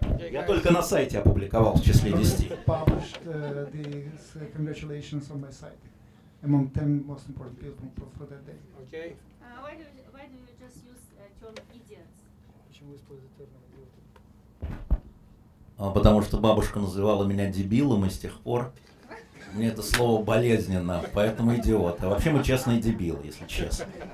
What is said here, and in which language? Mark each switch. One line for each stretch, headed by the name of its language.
Russian: Я только на сайте опубликовал в числе 10.
English: Published the congratulations on my site among 10 most important people for that day. Okay. Why do you just use term idiots?
Russian: Почему используете термин идиот? Потому что бабушка называла меня дебилом, и с тех пор мне это слово болезненно, поэтому идиот. А вообще мы честные дебилы, если честно.